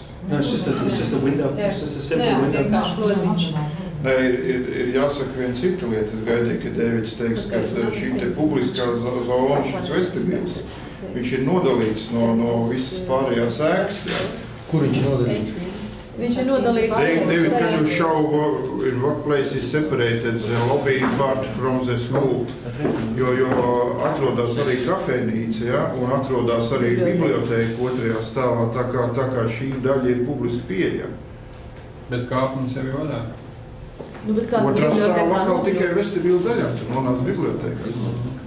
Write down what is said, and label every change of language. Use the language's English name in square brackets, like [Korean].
[English] No, it's just a window. It's just a simple window. [Latvian] Jā, vienkārši lodziņš. Nē, ir jāsaka viena cita lieta. Es gaidīju, ka Deivids teiks, ka šī te publiskā zona, šis vestibils, viņš ir nodalīts no visas pārējās ēkas. Kur viņš ir nodalīts? Viņš ir nodalīts. Deivids, [English] can you show in what place is separated the lobby part from the school? [Latvian] Jo atrodas arī kafēnīca, ja, un atrodas arī bibliotēka otrajā stāvā, tā kā šī daļa ir publiski pieejama. Bet kāpums arī vaļā? Otrā stāvā kā tikai vestibīla daļā, tur nonāc bibliotēkā.